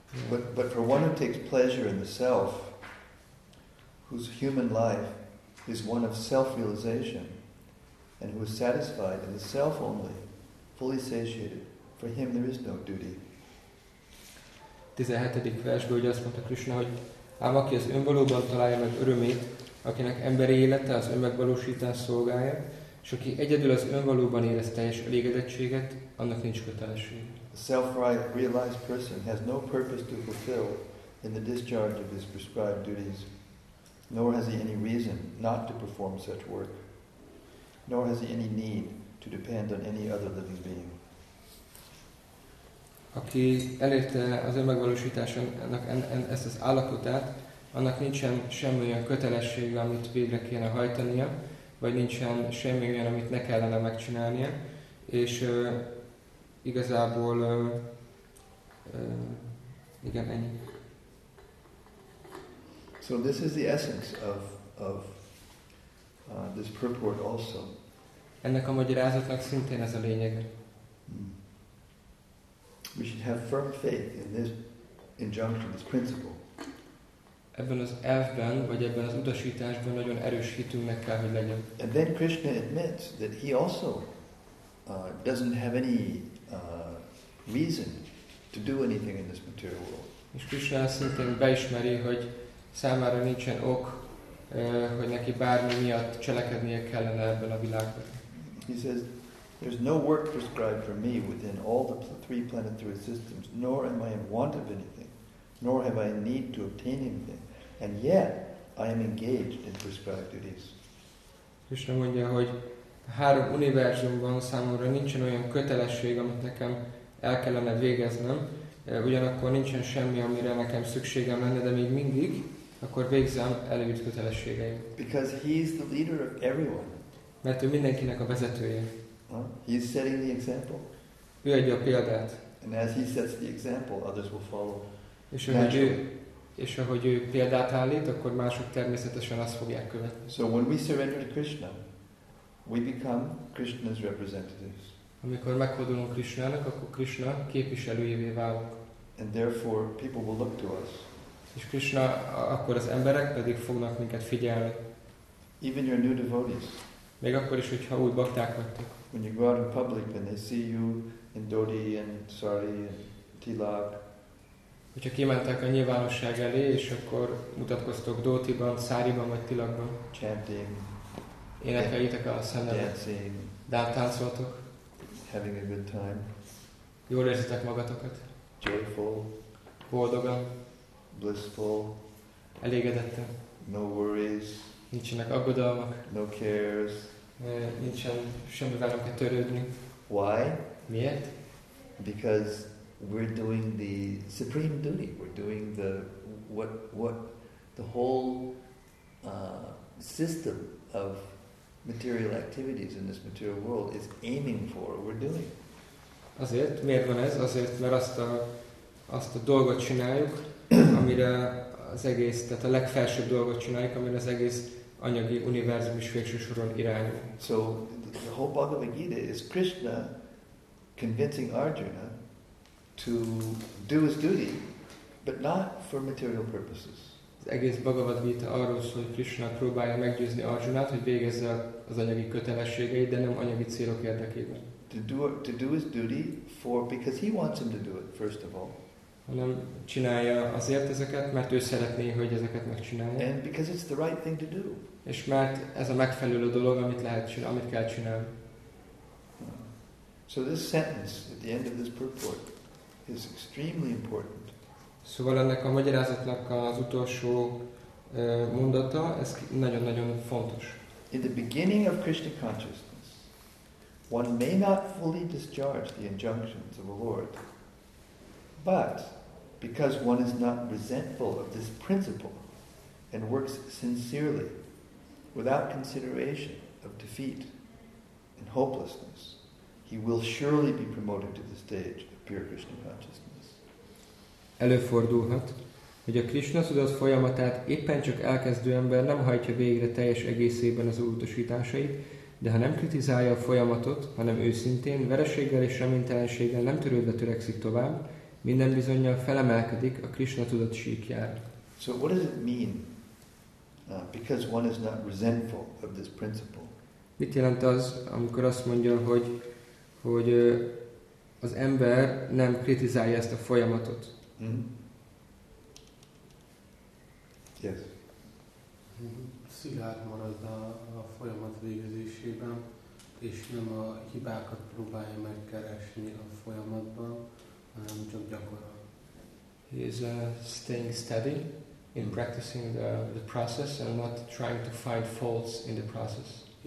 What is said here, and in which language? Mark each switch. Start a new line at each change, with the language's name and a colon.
English: But for one who takes pleasure in the self, whose human life is one of self-realization, and who is satisfied in the self only, fully satiated, for him there is no duty.
Hungarian: 17. versből ugye azt mondta Krishna, hogy ám aki az önvalóban találja meg örömét, akinek emberi élete az önmegvalósítás szolgálja, és aki egyedül az önvalóban érez teljes elégedettséget, annak nincs kötelesség.
English: A self-realized person has no purpose to fulfill in the discharge of his prescribed duties, nor has he any reason not to perform such work, nor has he any need to depend on any other living being.
Hungarian: Aki elérte az önmegvalósításának ezt az állapotát, annak nincsen semmi olyan kötelesség, amit végre kéne hajtania, vagy nincsen semmi olyan, amit ne kellene megcsinálnia, és igazából igen, ennyi.
English: So this is the essence of this purport also.
Hungarian: Ennek a magyarázatnak szintén ez a lényege.
English: We should have firm faith in this injunction, this principle.
Hungarian: Ebben az elvben, vagy ebben az utasításban nagyon erős hitünknek kell, hogy legyen.
English: And then Krishna admits that he also doesn't have any reason to do anything in this material world.
Hungarian: És Krishna szintén beismeri, hogy számára nincsen ok, hogy neki bármi miatt cselekednie kellene ebben a világban.
English: He says, there's no work prescribed for me within all the three planetary systems, nor am I in want of anything, nor have I need to obtain anything, and yet I am engaged in prescribed duties.
Hungarian: Krishna mondja, hogy három univerzumban számomra nincsen olyan kötelesség, amit nekem el kellene végeznem, ugyanakkor nincsen semmi, amire nekem szükségem lenne, de még mindig, akkor végzem előírt kötelességeim.
English: Because he is the leader of everyone.
Hungarian: Mert ő mindenkinek a vezetője.
English: He is setting the example.
Hungarian: Ő adja a példát.
English: And as he sets the example, others will follow.
Hungarian: És ahogy ő példát állít, akkor mások természetesen azt fogják követni.
English: So when we surrender to Krishna, we become Krishna's representatives.
Hungarian: Amikor meghódolunk Krishnának, akkor Krishna képviselőjévé válunk.
English: And therefore people will look to us.
Hungarian: És Krishna, akkor az emberek pedig fognak minket figyelni.
English: Even your new devotees.
Hungarian: Még akkor is, hogyha új bakták vagytok.
English: When you go out in public and they see you in dhoti and sari and tilak.
Hungarian: Hogyha kimentek a nyilvánosság elé, és akkor mutatkoztok dhotiban, száriban vagy tilakban.
English: Chanting.
Hungarian: Énekeljétek a szennemet. Dáncoltok.
English: Having a good time.
Hungarian: Jól érzitek magatokat.
English: Joyful.
Hungarian: Boldogan.
English: Blissful.
Hungarian: Elégedettem.
English: No worries.
Hungarian: Nincsenek aggodalmak.
English: No cares.
Hungarian: Nincsen semmi velem kell törődni.
English: Why?
Hungarian: Miért?
English: Because we're doing the supreme duty. We're doing the what the whole system of material activities in this material world is aiming for, we're doing.
Hungarian: Azért, miért van ez? Azért, mert azt a dolgot csináljuk, amire az egész, tehát a legfelsőbb dolgot csináljuk, amire az egész anyagi univerzum is végső soron irányul.
English: So, the whole Bhagavad Gita is Krishna convincing Arjuna to do his duty but not for material purposes.
Hungarian: Az egész Bhagavad Gita arról szól, hogy Krishna próbálja meggyőzni Arjunát, hogy végezze az anyagi kötelességeit, de nem anyagi célok érdekében.
English: To do his duty for, because he wants him to do it, first of all.
Hungarian: Hanem csinálja azért ezeket, mert ő szeretné, hogy ezeket megcsinálja.
English: And because it's the right thing to do.
Hungarian: És mert ez a megfelelő dolog, amit lehet csinálni, amit kell csinálni.
English: So this sentence at the end of this purport is extremely important.
Hungarian: Szóval ennek a magyarázatnak az utolsó mondata, ez nagyon-nagyon fontos.
English: In the beginning of Krishna consciousness, one may not fully discharge the injunctions of the Lord, but because one is not resentful of this principle and works sincerely, without consideration of defeat and hopelessness, he will surely be promoted to the stage of pure Krishna consciousness.
Hungarian: Előfordulhat, hogy a Krishna tudat folyamatát éppen csak elkezdő ember nem hajtja végre teljes egészében az utasításait, de ha nem kritizálja a folyamatot, hanem őszintén, vereséggel és reménytelenséggel nem törődve törekszik tovább, minden bizonnyal felemelkedik a Krishna tudat síkjára.
English: So what does it mean? Because one is not resentful of this principle.
Hungarian: Mit jelent az, amikor azt mondja, hogy az ember nem kritizálja ezt a folyamatot? Mm-hmm.
English: Yes.
Hungarian: Szilárd marad a folyamat végezésében, és nem a hibákat próbálja megkeresni a folyamatban, hanem csak gyakorol.
English: He is staying steady in practicing the process and not trying to find faults in the process.